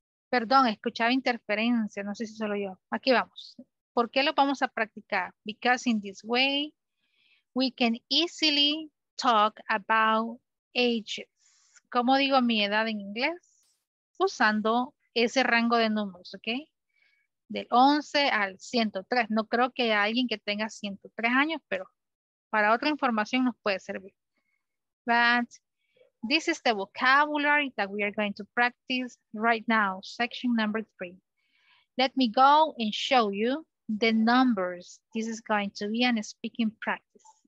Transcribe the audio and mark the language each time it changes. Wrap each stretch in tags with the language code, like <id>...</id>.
<es>Perdón, escuchaba interferencia, no sé si solo yo. Aquí vamos. ¿Por qué lo vamos a practicar?</es> <en>Because in this way, we can easily talk about ages.</en> <es>¿Cómo digo mi edad en inglés? Usando ese rango de números, ¿ok? Del 11 al 103. No creo que haya alguien que tenga 103 años, pero para otra información nos puede servir.</es> <en>But this is the vocabulary that we are going to practice right now, section number 3. Let me go and show you the numbers. This is going to be a speaking practice.</en>